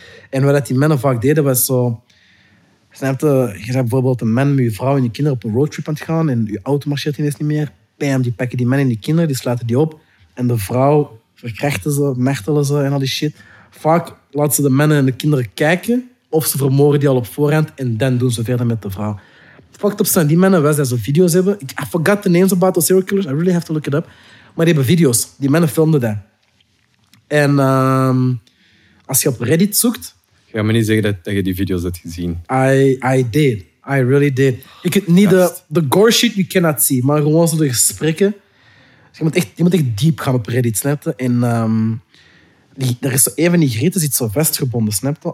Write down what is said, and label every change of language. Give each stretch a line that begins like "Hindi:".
Dutch: En wat die mannen vaak deden, was zo... Je bent bijvoorbeeld een man met je vrouw en je kinderen op een roadtrip aan het gaan en je auto marcheert ineens niet meer. Bam, die pakken die man en die kinderen, die sluiten die op. En de vrouw verkrachten ze, martelen ze en al die shit. Vaak laten ze de mannen en de kinderen kijken of ze vermoorden die al op voorhand en dan doen ze verder met de vrouw. Fucked up zijn die mannen, wij zijn zo video's hebben.
English: I forgot the names about the serial killers, I really have to look it up.
Dutch: Maar die hebben video's, die mannen filmden dat. En als je op Reddit zoekt... Ik ga me niet zeggen dat je die video's hebt gezien.
English: I did. I really did.
Dutch: Ik kunt niet de gore shit,
English: you cannot see.
Dutch: Maar gewoon zo de gesprekken. Dus je moet echt diep gaan op Reddit, snap je? En er is zo een van die grieten, zit zo vastgebonden, snap je?